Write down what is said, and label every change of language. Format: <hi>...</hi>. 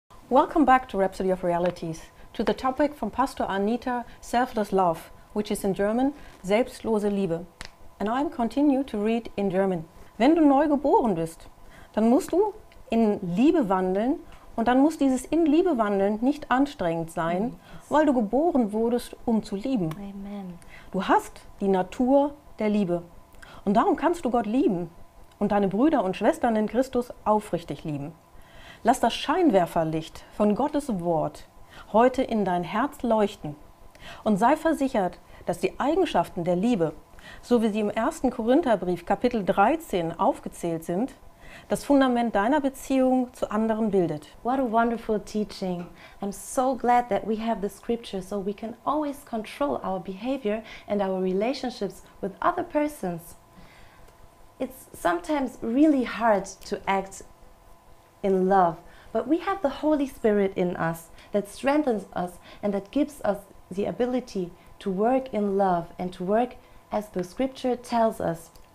<en>Welcome back to Rhapsody of Realities, to the topic from Pastor Anita, Selfless Love, which is in German, Selbstlose Liebe. And I'm continue to read in German.</en> <de>Wenn du neu geboren bist, dann musst du in Liebe wandeln und dann muss dieses in Liebe wandeln nicht anstrengend sein, weil du geboren wurdest, um zu lieben. Amen. Du hast die Natur der Liebe und darum kannst du Gott lieben und deine Brüder und Schwestern in Christus aufrichtig lieben. Lass das Scheinwerferlicht von Gottes Wort heute in dein Herz leuchten und sei versichert, dass die Eigenschaften der Liebe, so wie sie im 1. Korintherbrief Kapitel 13 aufgezählt sind, das Fundament deiner Beziehung zu anderen bildet.</de> <en>What a wonderful teaching. I'm so glad that we have the scripture so we can always control our behavior and our relationships with other persons. It's sometimes really hard to act in love, but we have the Holy Spirit in us that strengthens us and that gives us the ability to work in love and to work as the scripture tells us.</en>